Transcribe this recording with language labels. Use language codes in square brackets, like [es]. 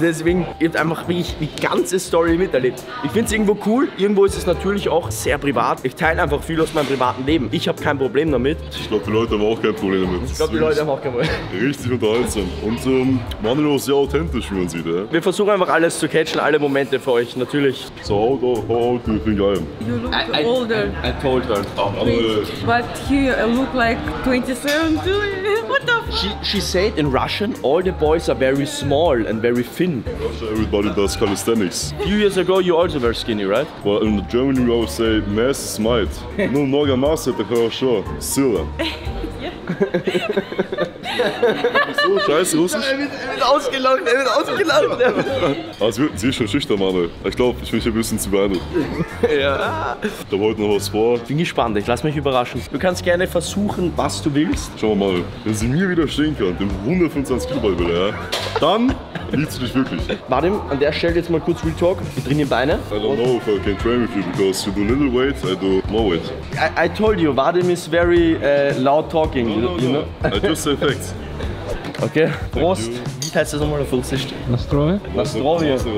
[de] Deswegen wird einfach wirklich die ganze Story miterlebt. Ich finde es irgendwo cool. Irgendwo ist es natürlich auch sehr privat. Ich teile einfach viel aus meinem privaten Leben. Ich habe kein Problem damit. Ich glaube, die Leute haben auch kein Problem damit. Richtig unterhaltsam. Und Manuel ist sehr authentisch, wie man sieht. Ja? Wir versuchen einfach alles zu catchen, alle Momente für euch, natürlich. [en] So, how old do you think I am? You look older. I told her. Oh, but here I look like 27 too. What the fuck? She said in Russian, all the boys are very small and very thin. Everybody does calisthenics. A few years ago, you also were skinny, right? Well, in Germany, we always say, mass is might. No, noga mass, the girl, sure. Still. Yeah. [de] So, scheiße, Russisch. Er wird ausgelacht. Also, sie ist schon schüchtern, Manuel. Ich glaube, ich bin hier ein bisschen zu beeindruckt. Ja. Ich glaube, heute noch was vor. Ich bin gespannt, ich lass mich überraschen. Du kannst gerne versuchen, was du willst. Schau mal, Manuel. Wenn sie mir widerstehen kann, dem 125 Kilobyte wieder, ja, dann liebst du dich wirklich. Vadim, an der Stelle jetzt mal kurz Real Talk. Wir drehen die Beine. [en] I don't know if I can train with you, because you do little weight, I do more weight. I told you, Vadim is very loud talking. No. I just say facts. [de] Okay, Prost. Wie heißt das nochmal auf Russisch? [ru] Nastrovje. Nastrovje.